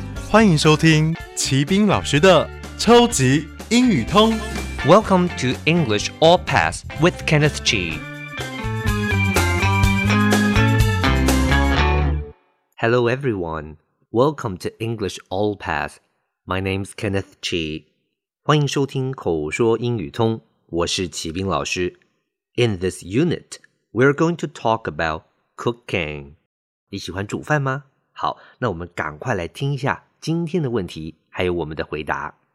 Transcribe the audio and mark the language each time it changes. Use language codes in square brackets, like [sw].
[zh] 欢迎收听齐斌老师的超级英语通。 [en] Welcome to English All Pass with Kenneth G. Hello everyone. Welcome to English All Pass. My name's Kenneth G. [zh] 欢迎收听口说英语通。我是齐斌老师。 [en] In this unit, we're going to talk about cooking. [zh] 你喜欢煮饭吗？好，那我们赶快来听一下今天的问题，还有我们的回答。